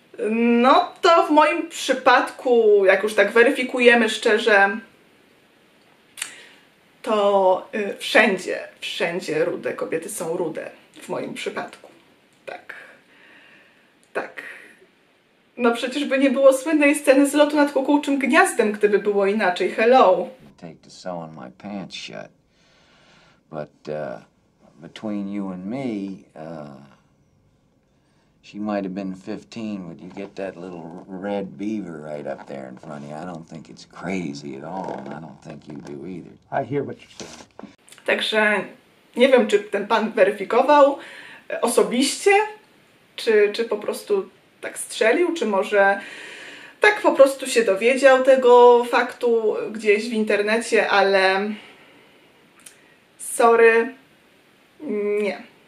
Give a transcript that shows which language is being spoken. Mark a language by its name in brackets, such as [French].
[Polish] No to w moim przypadku, jak już tak weryfikujemy szczerze, to wszędzie rude kobiety są rude w moim przypadku. Tak. Tak. No przecież by nie było słynnej sceny z lotu nad kukułczym gniazdem, gdyby było inaczej. [English] Hello. Take to sewing my pants shut. But between you and me, she might have been 15, but you get that little red beaver right up there in front of you. I don't think it's crazy at all, and I don't think you do either. I hear what you're saying. [Polish] Także nie wiem, czy ten pan weryfikował osobiście, czy po prostu tak strzelił, czy może tak po prostu się dowiedział tego faktu gdzieś w internecie, ale sorry, nie.